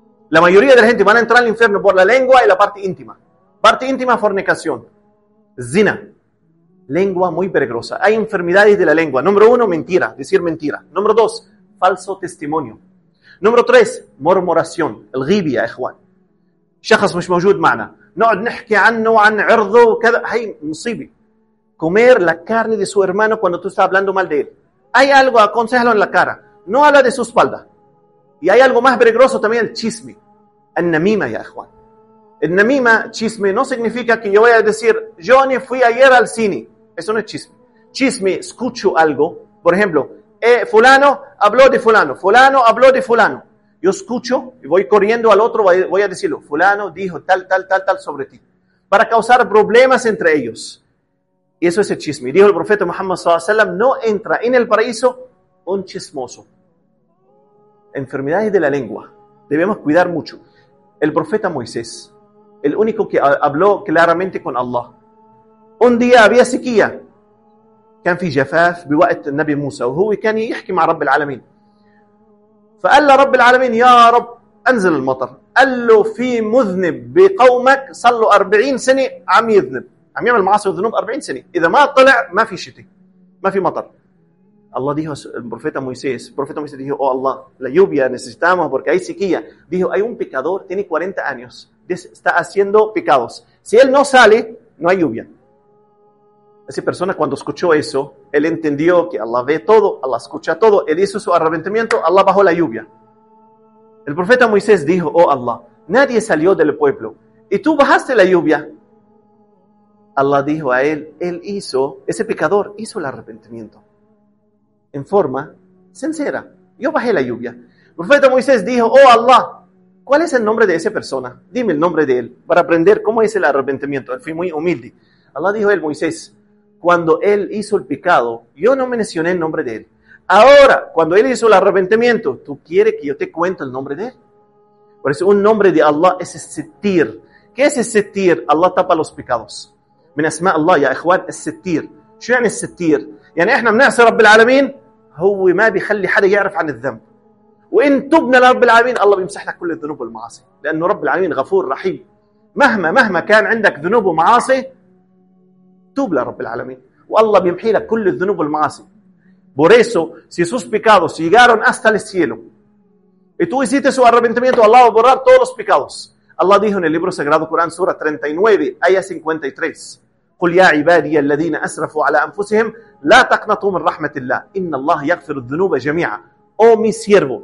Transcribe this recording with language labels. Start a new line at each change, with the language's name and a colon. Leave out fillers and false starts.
Spanish: La mayoría de la gente van a entrar al infierno por la lengua y la parte íntima. Parte íntima, fornicación, zina. Lengua muy peligrosa. Hay enfermedades de la lengua. Número uno, mentira. Decir mentira. Número dos, falso testimonio. Número tres, murmuración.
Arabic: El ghibia, ikhwan. شخص مش موجود معنا. نقعد نحكي عنه وعن عرضه وكذا. هاي مصيبة.
Spanish: Comer la carne de su hermano cuando tú estás hablando mal de él. Hay algo, aconsejalo en la cara. No habla de su espalda. Y hay algo más peligroso también, el chisme.
Arabic: النميمة, ya ikhwan.
Spanish: El namima, chisme, no significa que yo voy a decir, yo ni fui ayer al cine. Eso no es chisme. chisme, escucho algo. Por ejemplo, fulano habló de fulano, fulano habló de fulano. Yo escucho y voy corriendo al otro, voy a decirlo, fulano dijo tal, tal, tal, tal sobre ti, para causar problemas entre ellos. Y eso es el chisme. Dijo el profeta Muhammad sallallahu alaihi wasallam, no entra en el paraíso un chismoso. Enfermedades de la lengua. Debemos cuidar mucho. El profeta Moisés, el único que habló claramente con Allah. Un día había sequía.
Arabic: كان في جفاف بوقت النبي موسى وهو كان يحكي مع رب العالمين. فقال له رب العالمين يا رب انزل المطر. قال له في مذنب بقومك صار له 40 سنة عم يذنب. عم يعمل معاصي وذنوب 40 سنة. إذا ما طلع ما في شتاء. ما في مطر.
Spanish: الله dijo al profeta Moisés. El profeta Moisés dijo, oh Allah, la lluvia necesitamos porque hay sequía. Dijo, hay un pecador, tiene 40 años, está haciendo pecados. Si él no sale, no hay lluvia. Esa persona cuando escuchó eso, él entendió que Allah ve todo, Allah escucha todo. Él hizo su arrepentimiento, Allah bajó la lluvia. El profeta Moisés dijo, oh Allah, nadie salió del pueblo y tú bajaste la lluvia. Allah dijo a él, él hizo, ese pecador hizo el arrepentimiento. En forma sincera. Yo bajé la lluvia. El profeta Moisés dijo, oh Allah, ¿cuál es el nombre de esa persona? Dime el nombre de él para aprender cómo es el arrepentimiento. Fui muy humilde. Allah dijo a él, Moisés, cuando él hizo el pecado, yo no mencioné el nombre de él. Ahora, cuando él hizo el arrepentimiento, ¿tú quieres que yo te cuente el nombre de él? Por eso un nombre de Allah es Sittir. ¿Qué es Sittir? Allah tapa los pecados.
Arabic: من اسماء الله يا اخوان الستير. شو يعني الستير؟ يعني احنا بنعصي رب العالمين هو ما بيخلي حدا يعرف عن الذنب. وان تبنى لرب العالمين الله بيمسح لك كل الذنوب والمعاصي، لانه رب العالمين غفور رحيم. مهما كان عندك ذنوب ومعاصي توب لرب العالمين والله بيمحي لك كل الذنوب والمعاصي.
Spanish: Por eso si sus pecados llegaron hasta el cielo y tú hiciste su arrepentimiento Allah va a borrar todos los pecados. Allah dijo en el libro sagrado Corán, sura 39, ayah 53.
Arabic: قُلْ يَا عِبَادِيَ الَّذِينَ أَسْرَفُوا عَلَىٰ أَنفُسِهِمْ لَا تَقْنَطُوا مِنْ رَحْمَةِ اللَّهِ إِنَّ اللَّهَ يَغْفِرُ الذُّنُوبَ جَمِيعًا.
Spanish: Oh, mi siervo.